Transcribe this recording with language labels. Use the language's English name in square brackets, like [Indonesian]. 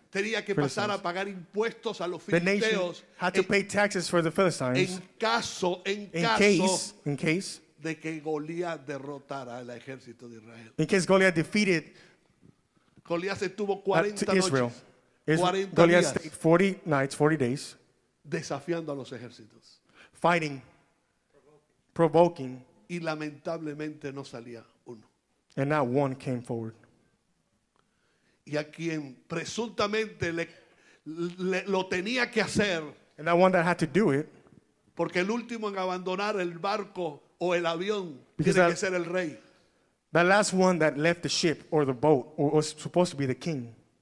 [Spanish] Tenía que pasar a pagar impuestos a los filisteos. [English] The nation had to pay taxes for the Philistines. [Spanish] En caso de que Goliat derrotara al ejército de Israel. [English] In case Goliat defeated [Spanish] Goliat se tuvo 40 [English] to Israel. [Spanish] Noches. [English] Goliat stayed 40 nights, 40 days. [Spanish] Desafiando a los ejércitos. [English] Fighting. Provoking. [Spanish] Y lamentablemente no salía uno. [English] And not one came forward. [Spanish] Y a quien presuntamente le lo tenía que hacer. [English] And that one that had to do it. [Spanish] Porque el último en abandonar el barco o el avión tiene que ser el rey. [English] The last one that left the ship or the boat or was supposed to be the king.